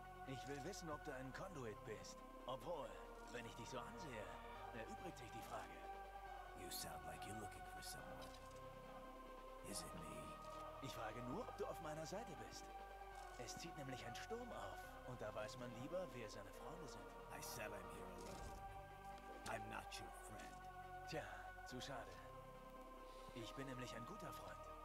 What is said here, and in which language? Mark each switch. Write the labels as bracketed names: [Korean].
[German] Ich will wissen, ob du ein Conduit bist. Obwohl, wenn ich dich so ansehe, erübrigt sich die Frage. [English] You sound like you're looking for someone. Is it me? [German] Ich frage nur, ob du auf meiner Seite bist. Es zieht nämlich ein Sturm auf. Und da weiß man lieber, wer seine Freunde sind. [English] I said I'm here alone. I'm not your friend. [German] Tja, zu schade. Ich bin nämlich ein guter Freund.